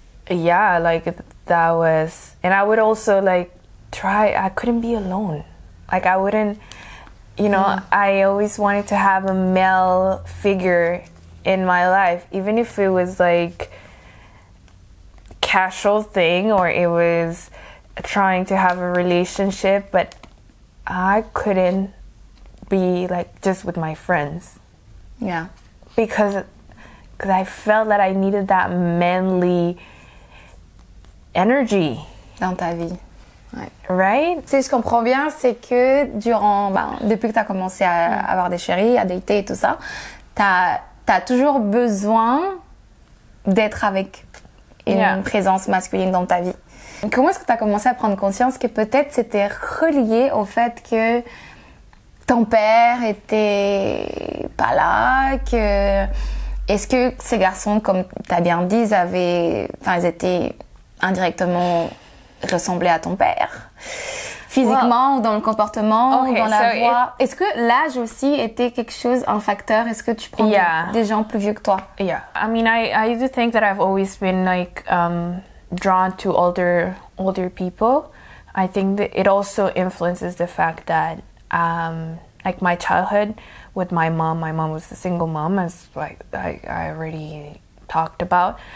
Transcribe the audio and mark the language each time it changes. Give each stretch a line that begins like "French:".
English: yeah, like that was, and I would also like try, I couldn't be alone, like I wouldn't, you know, I always wanted to have a male figure in my life, even if it was like casual thing or it was trying to have a relationship, but I couldn't be like just with my friends. Yeah. Because I felt that I needed that manly energy.
French: Dans ta vie. Ouais.
English: Right?
French: Tu sais, je comprends bien, c'est que durant, ben, depuis que tu as commencé à avoir des chéris, à dater et tout ça, t'as toujours besoin d'être avec une présence masculine dans ta vie. Comment est-ce que tu as commencé à prendre conscience que peut-être c'était relié au fait que ton père était pas là, que est-ce que ces garçons, comme tu as bien dit, ils étaient indirectement ressemblés à ton père, physiquement ou dans le comportement ou dans la voix? Est-ce que l'âge aussi était quelque chose, un facteur? Est-ce que tu prends des gens plus vieux que toi?
English: Yeah. I mean, I do think that I've always been like drawn to older people. I think that it also influences the fact that like my childhood with my mom was a single mom, as like I already talked about.